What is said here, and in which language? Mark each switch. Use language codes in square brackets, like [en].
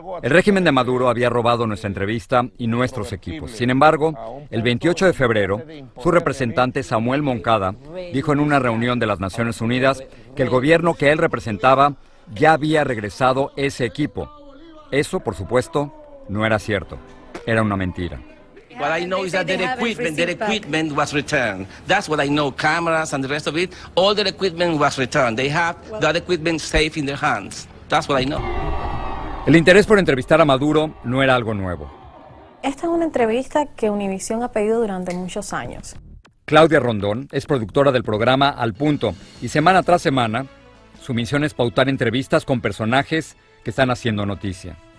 [es] El régimen de Maduro había robado nuestra entrevista y nuestros equipos. Sin embargo, el 28 de febrero, su representante Samuel Moncada dijo en una reunión de las Naciones Unidas que el gobierno que él representaba ya había regresado ese equipo. Eso, por supuesto, no era cierto. Era una mentira. [en] What I know is that their equipment was returned. That's what I know, cameras and the rest of it. All their equipment was returned. They have that equipment safe in their hands. That's what I know. [es] El interés por entrevistar a Maduro no era algo nuevo. Esta es una entrevista que Univision ha pedido durante muchos años. Claudia Rondón es productora del programa Al Punto y semana tras semana su misión es pautar entrevistas con personajes que están haciendo noticia.